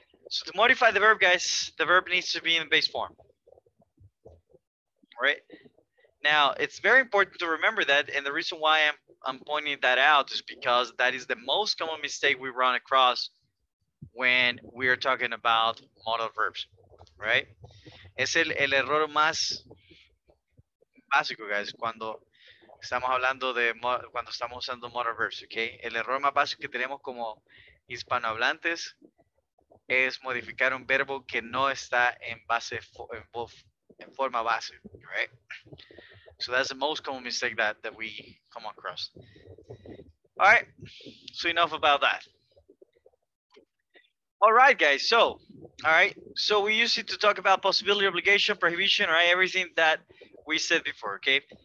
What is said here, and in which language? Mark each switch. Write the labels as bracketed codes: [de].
[en] So to modify the verb, guys, the verb needs to be in base form, all right? Now, it's very important to remember that, and the reason why I'm pointing that out is because that is the most common mistake we run across when we are talking about modal verbs, right? [es] Es el error más básico, guys, cuando estamos hablando de, cuando estamos usando modal verbs, okay? El error más básico que tenemos como hispanohablantes es modificar un verbo que no está en base, en forma base, right? [en] So that's the most common mistake that we come across. All right, so enough about that. All right, guys, so, all right. So we use it to talk about possibility, obligation, prohibition, right? Everything that we said before, okay?